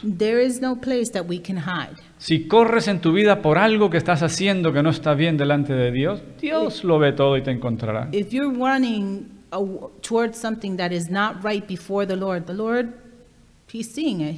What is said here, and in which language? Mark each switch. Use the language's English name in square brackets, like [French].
[English] There is no place that we can hide. [Spanish] Si corres en tu vida por algo que estás haciendo que no está bien delante de Dios, Dios lo ve todo y te encontrará. [English] If you're running towards something that is not right before the Lord, He's seeing it.